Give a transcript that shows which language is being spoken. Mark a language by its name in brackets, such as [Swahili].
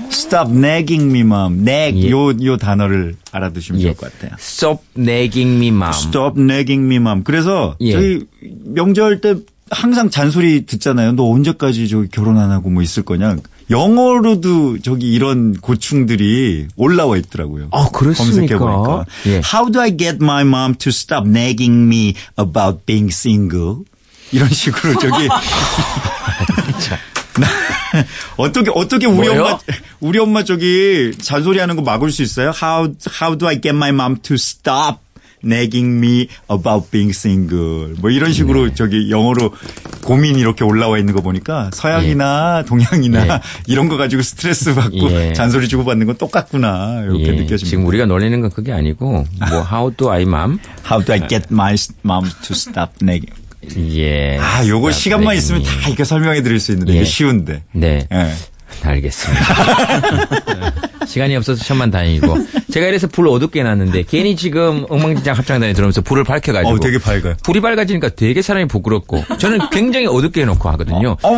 [Korean] 아. [English] Stop nagging me, mom. [Korean] nag 예. 요 단어를 알아두시면 예. 좋을 것 같아요. [English] Stop nagging me, mom. Stop nagging me, mom. [Korean] 그래서 예. 저희 명절 때 항상 잔소리 듣잖아요. 너 언제까지 저기 결혼 안 하고 뭐 있을 거냐. 영어로도 저기 이런 고충들이 올라와 있더라고요. 아, 그렇습니까? 검색해보니까. 예. [English] How do I get my mom to stop nagging me about being single? [Korean] 이런 식으로 저기. 어떻게 우리 뭐요? 우리 엄마 저기 잔소리하는 거 막을 수 있어요? [English] How do I get my mom to stop nagging me about being single? [Korean] 뭐 이런 식으로 네. 저기 영어로 고민 이렇게 올라와 있는 거 보니까 서양이나 예. 동양이나 예. 이런 거 가지고 스트레스 받고 예. 잔소리 주고받는 건 똑같구나 이렇게 예. 느껴집니다. 지금 우리가 놀리는 건 그게 아니고 뭐 [English] How do I mom? How do I get my mom to stop nagging? [Korean] 예. 아, 요거 시간만 nagging. 있으면 다 이렇게 설명해 드릴 수 있는데 예. 이게 쉬운데. 네. 네. 알겠습니다. 시간이 없어서 천만 다행이고. 제가 이래서 불 어둡게 놨는데 괜히 지금 엉망진창 합창단에 들어오면서 불을 밝혀가지고. 되게 밝아요. 불이 밝아지니까 되게 사람이 부끄럽고. 저는 굉장히 어둡게 해놓고 하거든요.